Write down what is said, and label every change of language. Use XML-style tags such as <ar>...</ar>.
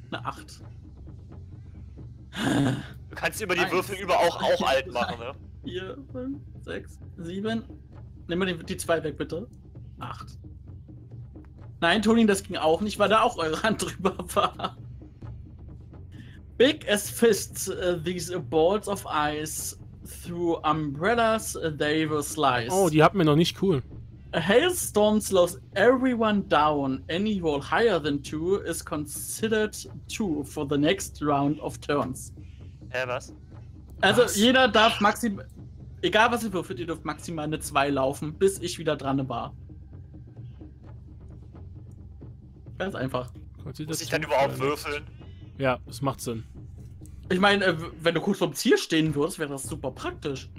<de>Eine 8. Du kannst über die eins. Würfel über auch alt machen, ne? 4, 5, 6, 7. Nimm mal die 2 weg, bitte. 8. Nein, Toni, das ging auch nicht, weil da auch eure Hand drüber war.</de> <en>Big as fists, these balls of ice through umbrellas they will slice.</en> <de>Oh, die hatten wir noch nicht, cool.</de> <en>A hailstorm slows everyone down. Any roll higher than 2 is considered 2 for the next round of turns.</en> <de>Was? Also was? Jeder darf maximal, egal was ihr würfelt, ihr dürft maximal eine 2 laufen, bis ich wieder dran war. Ganz einfach. Muss ich das dann überhaupt würfeln? Ja, das macht Sinn. Ich meine, wenn du kurz vorm Ziel stehen würdest, wäre das super praktisch.</de>